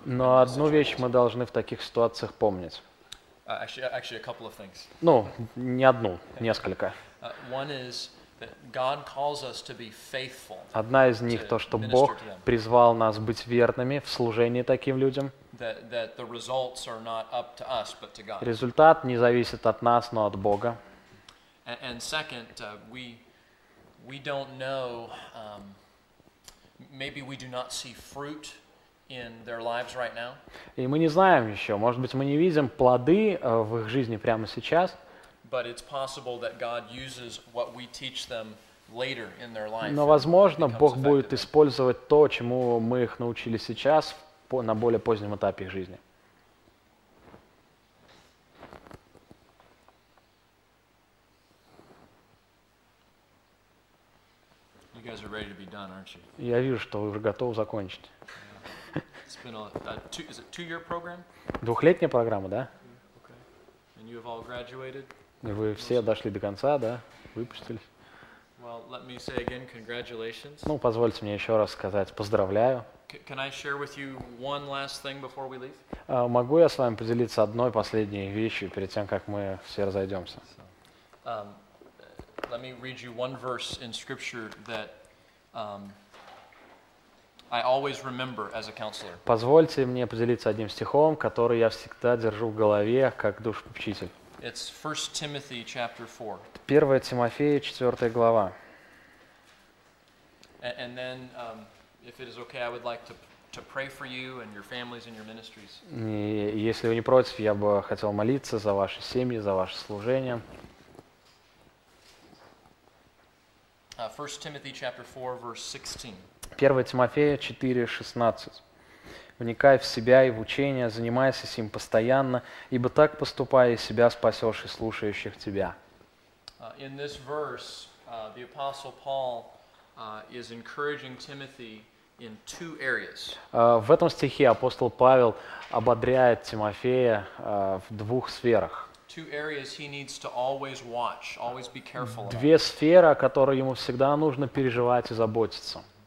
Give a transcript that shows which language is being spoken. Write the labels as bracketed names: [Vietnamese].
[Russian] Но одну вещь мы должны в таких ситуациях помнить. [English] Actually, a couple of things. [Russian] Ну, не одну, несколько. [English] One is that God calls us to be faithful. [Russian] Одна из них то, что Бог призвал нас быть верными в служении таким людям. [English] That the results are not up to us, but to God. [Russian] Результат не зависит от нас, но от Бога. [English] And second, we don't know, maybe we do not see fruit in their lives right now. [Russian] И мы не знаем еще, может быть, мы не видим плоды в их жизни прямо сейчас. [English] But it's possible that God uses what we teach them later in their life. [Russian] Но возможно, Бог будет использовать то, чему мы их научили сейчас, на более позднем этапе их жизни. [English] You guys are ready to be done, aren't you? [Russian] Я вижу, что вы уже готовы закончить. [English] It's been is it 2-year program? [Russian] Двухлетняя программа, да? [English] Okay. And you have all graduated? [Russian] И вы все дошли до конца, да? Выпустились. [English] Well, let me say again, congratulations. [Russian] Ну, позвольте мне еще раз сказать поздравляю. [English] Can I share with you one last thing before we leave? [Russian] Могу я с вами поделиться одной последней вещью перед тем, как мы все разойдемся? [English] Let me read you one verse in scripture that I always remember as a counselor. [Russian] Позвольте мне поделиться одним стихом, который я всегда держу в голове как душепопечитель. [English] It's 1 Timothy chapter 4. [Russian] 1 Тимофея, 4 глава. [English] And then if it is okay, I would like to pray for you and your families and your ministries. [Russian] И если вы не против, я бы хотел молиться за ваши семьи, за ваше служение. [English] 1 Timothy chapter 4 verse 16. [Russian] 1 Тимофея 4:16. Вникай в себя и в учение, занимайся с ним постоянно, ибо так поступая, и себя спасешь, и слушающих тебя. [English] In this verse, the Apostle Paul is encouraging Timothy in two areas. [Russian] В этом стихе апостол Павел ободряет Тимофея в двух сферах. [English] Two areas he needs to always watch, always be careful about. [Russian] Две сферы, о которых ему всегда нужно переживать и заботиться.